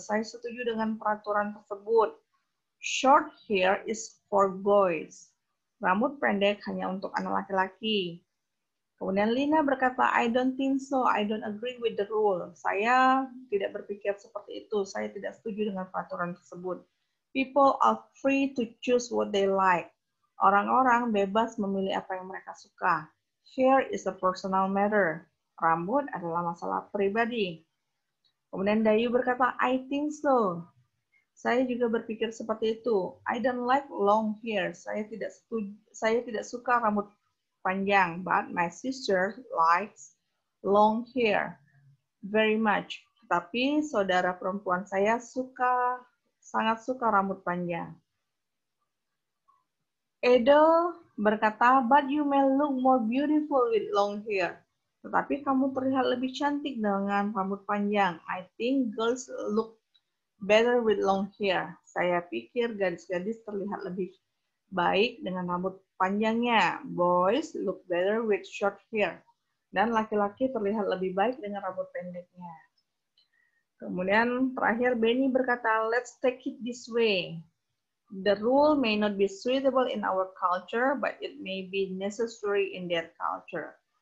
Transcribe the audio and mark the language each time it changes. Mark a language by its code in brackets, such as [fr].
[id] Saya setuju dengan peraturan tersebut. [en] Short hair is for boys. [id] Rambut pendek hanya untuk anak laki-laki. Kemudian Lina berkata, [en] I don't think so. I don't agree with the rule. [id] Saya tidak berpikir seperti itu. Saya tidak setuju dengan peraturan tersebut. [en] People are free to choose what they like. [id] Orang-orang bebas memilih apa yang mereka suka. [en] Hair is a personal matter. [id] Rambut adalah masalah pribadi. Kemudian Dayu berkata, [en] I think so. [id] Saya juga berpikir seperti itu. [en] I don't like long hair. [id] Saya tidak suka rambut panjang. [en] But my sister likes long hair very much. [id] Tapi saudara perempuan saya sangat suka rambut panjang. [en] Edo [id] berkata, [en] but you may look more beautiful with long hair. [id] Tetapi kamu terlihat lebih cantik dengan rambut panjang. [en] I think girls look better with long hair. [id] Saya pikir gadis-gadis terlihat lebih baik dengan rambut panjangnya. [en] Boys look better with short hair. [id] Dan laki-laki terlihat lebih baik dengan rambut pendeknya. Kemudian terakhir Benny berkata, [en] let's take it this way. The rule may not be suitable in our culture, but it may be necessary in their culture.